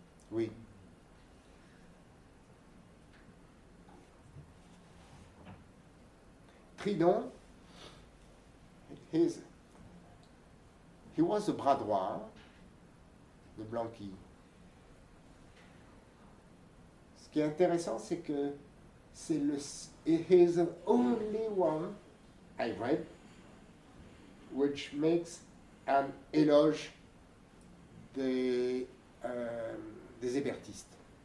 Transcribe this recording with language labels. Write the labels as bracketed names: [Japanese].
[French] Oui. [English] Tridon, he was the [French] bras droit de [English] Blanqui. [French] Ce qui est intéressant, c'est que c'est le. [English] He is the only one I read which makes an [French] éloge des Hébertistes.